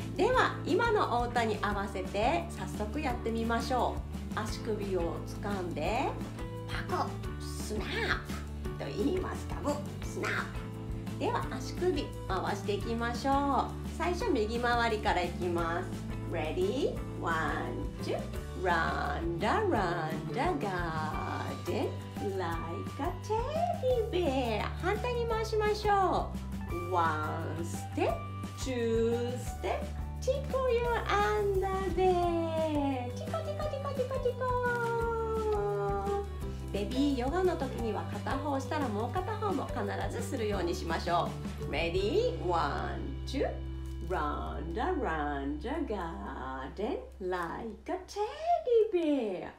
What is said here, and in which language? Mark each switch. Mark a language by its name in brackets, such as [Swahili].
[Japanese] では今のお歌に合わせて早速やってみましょう。足首を掴んでパコスナップと言います。タブスナップ。では足首回していきましょう。最初右回りからいきます。 [English] Ready? One, two. Run the run the garden like a teddy bear. [Japanese] 反対に回しましょう。 [English] One step, two step, tickle you under there. Tickle, tickle, tickle, tickle, tickle. [Japanese] ベビーヨガの時には片方したらもう片方も必ずするようにしましょう。 [English] Ready? One, two. Run the run the garden like a teddy bear.